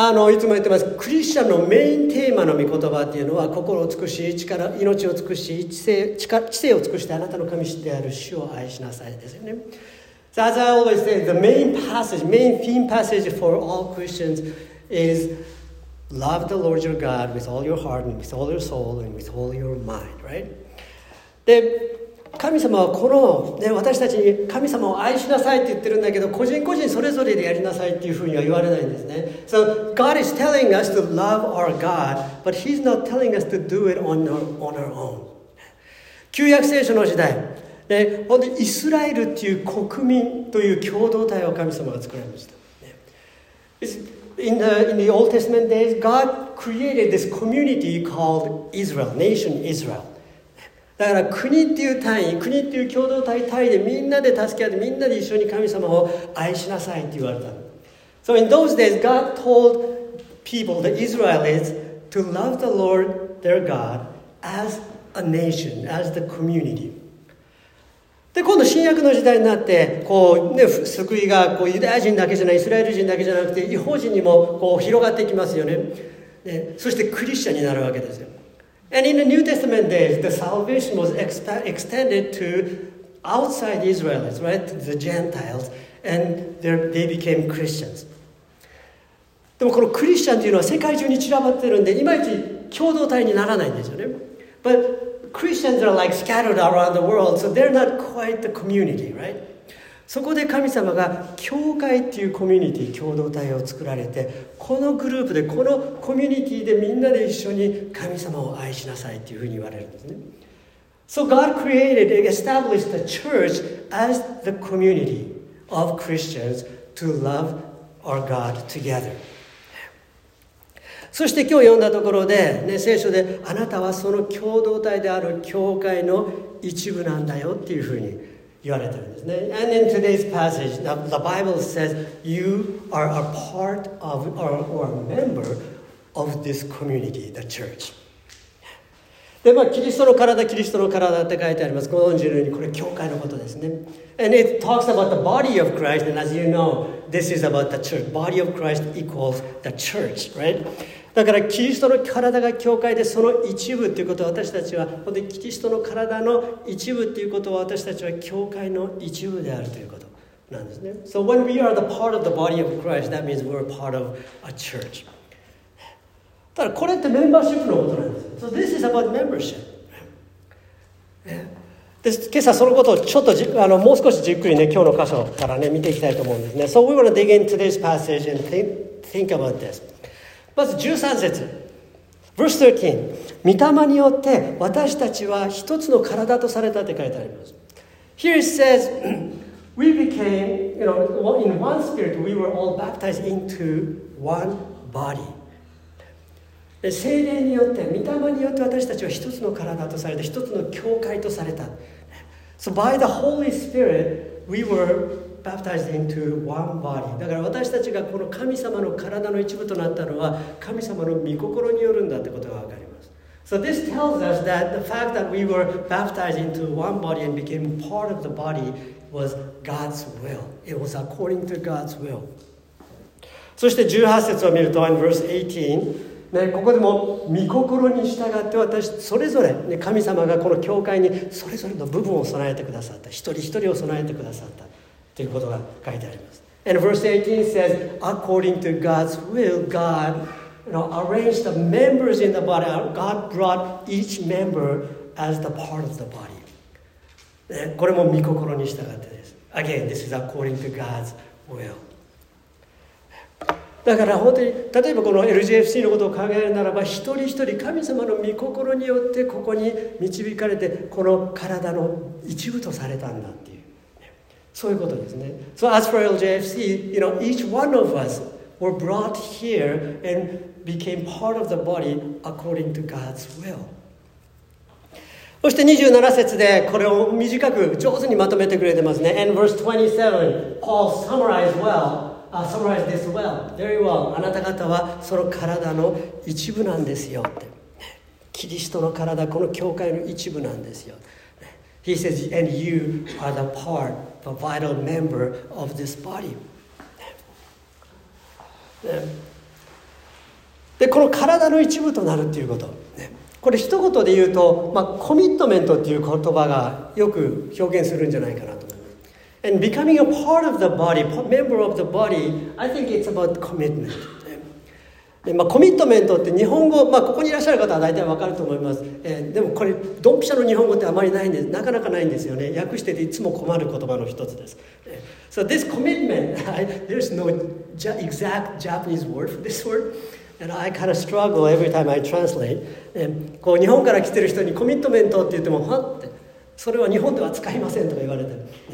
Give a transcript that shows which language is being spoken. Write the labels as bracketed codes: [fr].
[ja] いつも言ってます、クリスチャンのメインテーマの御言葉っていうのは、心を尽くし力、命を尽くし知性を尽くしてあなたの神である主を愛しなさいですよね。 [en] So as I always say, the main passage, main theme passage for all Christians is love the Lord your God with all your heart and with all your soul and with all your mind, right? [ja] で、神様はこの、ね、私たちに神様を愛しなさいって言ってるんだけど、個人個人それぞれでやりなさいっていうふうには言われないんですね。 [en] So God is telling us to love our God, but He's not telling us to do it on our own. [ja] 旧約聖書の時代、で本当にイスラエルっていう国民という共同体を神様が作られました。 [en] In the Old Testament days, God created this community called Israel, nation Israel. [ja] だから国っていう単位、国っていう共同体単位でみんなで助け合って、みんなで一緒に神様を愛しなさいって言われた。 [en] So in those days, God told people, the Israelites, to love the Lord their God as a nation, as the community. [ja] で今度新約の時代になって、こう、ね、救いがこうユダヤ人だけじゃない、イスラエル人だけじゃなくて異邦人にもこう広がっていきますよね。でそしてクリスチャンになるわけですよ。 [en] And in the New Testament days, the salvation was extended to outside Israelites, right? The Gentiles, and they became Christians. [ja] でもこのクリスチャンというのは世界中に散らばってるんで、いまいち共同体にならないんですよね。 [en] ButChristians are like scattered around the world, so they're not quite the community, right? [ja] そこで神様が教会っていうコミュニティ、共同体を作られて、このグループで、このコミュニティでみんなで一緒に神様を愛しなさいっていうふうに言われるんですね。 [en] So God created, established the church as the community of Christians to love our God together. [ja] そして今日読んだところで、ね、聖書であなたはその共同体である教会の一部なんだよっていうふうに言われてるんですね。 [en] And in today's passage, the Bible says you are a part of or a member of this community, the church. [ja] で、まあ、キリストの体、キリストの体って書いてあります。ご存知のようにこれ教会のことですね。 [en] And it talks about the body of Christ, and as you know, this is about the church. Body of Christ equals the church, right? [ja] だからキリストの体が教会で、その一部ということを私たちは、本当にキリストの体の一部ということを私たちは教会の一部であるということなんですね。 [en] So when we are the part of the body of Christ, that means we're part of a church. [ja] ただこれってメンバーシップのことなんです。 [en] So this is about membership. [ja] で今朝そのことをちょっともう少しじっくりね、今日の箇所からね、見ていきたいと思うんですね。 [en] So we want to dig into this passage and think about this. [ja] まず13節、 [en] Verse 13、 [ja] 御霊によって私たちは一つの体とされたって書いてあります。 [en] Here it says we became, in one spirit we were all baptized into one body. [ja] 聖霊によって、御霊によって私たちは一つの体とされた、一つの教会とされた。 [en] So by the Holy Spirit we were baptized into one body. [ja] だから私たちがこの神様の体の一部となったのは神様の御心によるんだってことがわかります。 [en] So this tells us that the fact that we were baptized into one body and became part of the body was God's will. It was according to God's will. [ja] そして18節を見ると [en] in verse 18 [ja] ね、ここでも御心に従って私それぞれ、ね、神様がこの教会にそれぞれの部分を備えてくださった一人一人を備えてくださったということが書いてあります。 [en] And verse 18 says, according to God's will, God arranged the members in the body. God brought each member as the part of the body.、 [ja] ね、これも御心に従ってです。 [en] Again, this is according to God's will. [ja] だから本当に例えばこの LGFC のことを考えるならば一人一人神様の御心によってここに導かれてこの体の一部とされたんだっていうそういうことですね。 [en] So as for LGFC, you know, each one of us were brought here and became part of the body according to God's will. [ja] そして27節でこれを短く上手にまとめてくれてますね。 [en] And verse 27, Paul summarized well. Summarize this well, very well. [ja] あなた方はその体の一部なんですよって。キリストの体、この教会の一部なんですよ。 [en] He says, and you are the part, the vital member of this body. [ja] で、この体の一部となるっていうこと。これ一言で言うと、まあ、コミットメントっていう言葉がよく表現するんじゃないかなと。 [en] And becoming a part of the body, member of the body, I think it's about commitment. [ja] で、まあ、コミットメントって日本語、まあ、ここにいらっしゃる方は大体わかると思います。でもこれ、ドンピシャの日本語ってあまりないんです。なかなかないんですよね。訳してていつも困る言葉の一つです。 [en] So this commitment, there's no exact Japanese word for this word. And I kind of struggle every time I translate. [ja] こう日本から来てる人にコミットメントって言っても、はって、それは日本では使いませんとか言われてる。